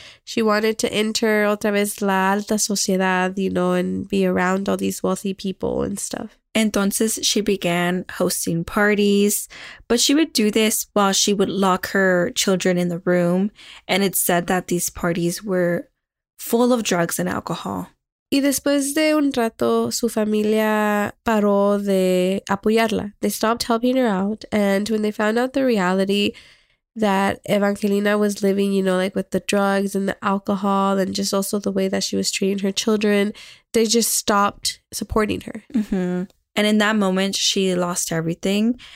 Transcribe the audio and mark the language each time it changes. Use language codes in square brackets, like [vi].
[en] She wanted to enter [es] otra vez la alta sociedad, [en] you know, and be around all these wealthy people and stuff. Entonces she began hosting parties, but she would do this while she would lock her children in the room. And it's said that these parties were full of drugs and alcohol. [es] Y después de un rato, su familia paró de apoyarla. [en] They stopped helping her out. And when they found out the reality that Evangelina was living, you know, like with the drugs and the alcohol and just also the way that she was treating her children, they just stopped supporting her. Mm-hmm. And in that moment, she lost everything.